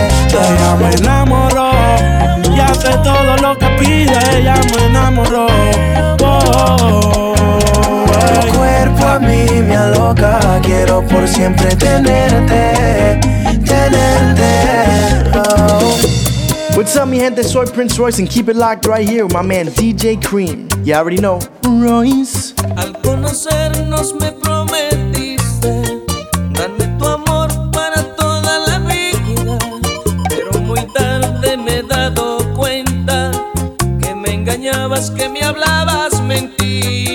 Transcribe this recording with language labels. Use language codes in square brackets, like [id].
[es] Ella me enamoró, y hace todo lo que pide, ella me enamoró. Tu cuerpo a mí me aloca, quiero por siempre tenerte. [en] What's up, [es] mi gente? Soy [en] Prince Royce and keep it locked right here with my man DJ Cream. You already know. Royce. [es] Al conocernos me prometiste darme tu amor para toda la vida, pero muy tarde me he dado cuenta que me engañabas, que me hablabas mentiras.